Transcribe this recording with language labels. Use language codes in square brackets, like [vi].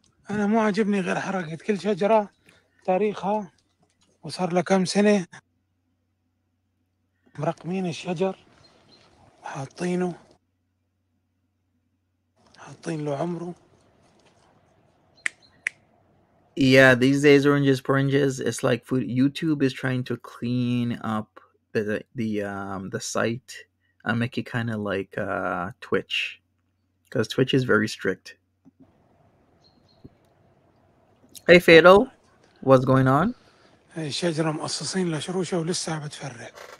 [ar] انا مو عاجبني غير حركة كل شجرة تاريخها وصار لها كم سنة مرقمين الشجر حاطين له عمره [en] Yeah, these days oranges poranges it's like food YouTube is trying to clean up the site and make it kind of like Twitch because Twitch is very strict Hey Fatal what's going on [ar] هاي الشجرة مقصصين لشروشة ولسه بتفرق